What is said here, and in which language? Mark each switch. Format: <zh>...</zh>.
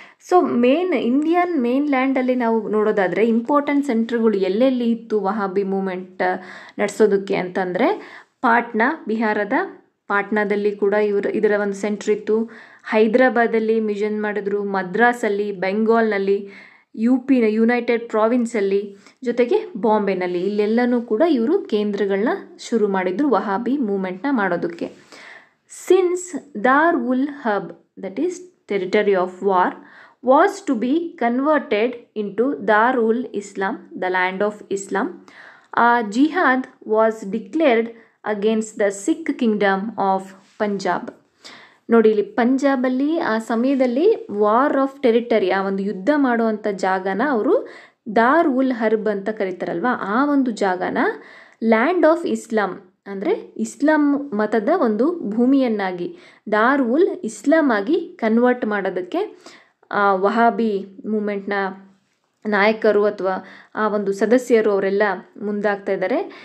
<kn>So main Indian main ಲ್ಯಾಂಡಲ್ಲಿ ನಾವು ನೋಡೋದಾದರೆ important ಸೆಂಟ್ರ್ಗಳು ಎಲ್ಲೆಲ್ಲಿ ಇತ್ತು ವಹಾಬಿ ಮೂಮೆಂಟ್ ನಡೆಸೋದಕ್ಕೆ ಅಂತಂದರೆ, ಪಾಟ್ನಾ ಬಿಹಾರದ ಪಾಟ್ನಾದಲ್ಲಿ ಕೂಡ ಇದರ ಒಂದು ಸೆಂಟ್ರ್ ಇತ್ತು, ಹೈದರಾಬಾದಲ್ಲಿ ಮಿಷನ್ ಮಾಡಿದ್ರು, ಮದ್ರಾಸಲ್ಲಿ, ಬೆಂಗಾಲ್ನಲ್ಲಿ, ಯುಪಿನ ಯುನೈಟೆಡ್ ಪ್ರಾವಿನ್ಸಲ್ಲಿ, ಜೊತೆಗೆ ಬಾಂಬೆನಲ್ಲಿ, ಇಲ್ಲೆಲ್ಲನೂ ಕೂಡ ಇವರು ಕೇಂದ್ರಗಳನ್ನ ಶುರು ಮಾಡಿದರು ವಹಾಬಿ ಮೂಮೆಂಟ್ನ ಮಾಡೋದಕ್ಕೆ.</kn> <en>Since Dar ul Hub, that is territory of war, was to be converted into Dar ul Islam, the land of Islam, a jihad was declared against the Sikh kingdom of Punjab.</en> <kn>ನೋಡಿ, ಇಲ್ಲಿ ಪಂಜಾಬಲ್ಲಿ ಆ ಸಮಯದಲ್ಲಿ</kn> <en>war of territory,</en> <kn>ಆ ಒಂದು ಯುದ್ಧ ಮಾಡುವಂಥ ಜಾಗನ ಅವರು ದಾರ್ ಉಲ್ ಹರ್ಬ್ ಅಂತ ಕರೀತಾರಲ್ವಾ, ಆ ಒಂದು ಜಾಗನ</kn> <en>land of Islam</en> <kn>ಅಂದರೆ ಇಸ್ಲಾಂ ಮತದ ಒಂದು ಭೂಮಿಯನ್ನಾಗಿ ದಾರ್ ಉಲ್ ಇಸ್ಲಾಂ ಆಗಿ ಕನ್ವರ್ಟ್ ಮಾಡೋದಕ್ಕೆ ವಹಾಬಿ ಮೂಮೆಂಟ್ನ ನಾಯಕರು ಅಥವಾ ಆ ಒಂದು ಸದಸ್ಯರು ಅವರೆಲ್ಲ ಮುಂದಾಗ್ತಾ ಇದ್ದಾರೆ.</kn>